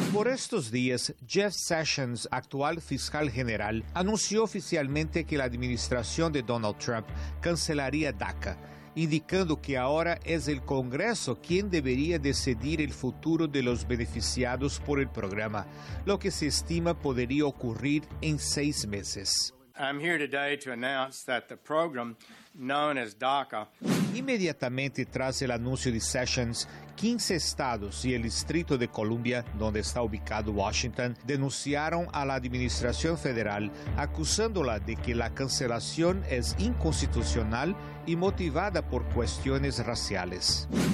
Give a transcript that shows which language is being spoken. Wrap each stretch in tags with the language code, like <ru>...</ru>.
<es>Por estos días, Jeff Sessions, actual fiscal general, anunció oficialmente que la administración de Donald Trump cancelaría DACA, indicando que ahora es el Congreso quien debería decidir el futuro de los beneficiados por el programa, lo que se estima podría ocurrir en 6 meses.</es> <en>I'm here today to announce that the program known as DACA.</en> <es>Inmediatamente tras el anuncio de Sessions, 15 estados y el Distrito de Columbia, donde está ubicado Washington, denunciaron a la administración federal acusándola de que la cancelación es inconstitucional y motivada por cuestiones raciales.</es>